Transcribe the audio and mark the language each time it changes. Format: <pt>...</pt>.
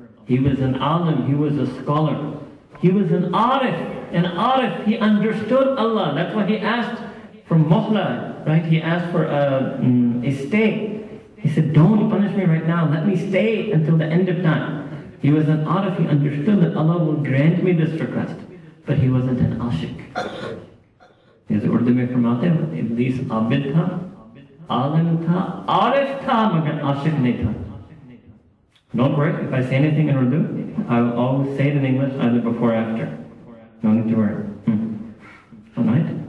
<en>He was an alim, he was a scholar. He was an arif, he understood Allah. That's why he asked for muhla, right? He asked for a stay. He said, don't punish me right now, let me stay until the end of time. He was an arif, he understood that Allah will grant me this request. But he wasn't an ashik. Is it</en> <ur>Urdu میں فرماتے ہیں؟ ابلیس عابد تھا، عالم تھا، عارف تھا، مگر عاشق نہیں تھا۔</ur> <en>Don't worry, if I say anything in Urdu, I will always say it in English, either before or after. No need to worry. Alright?</en>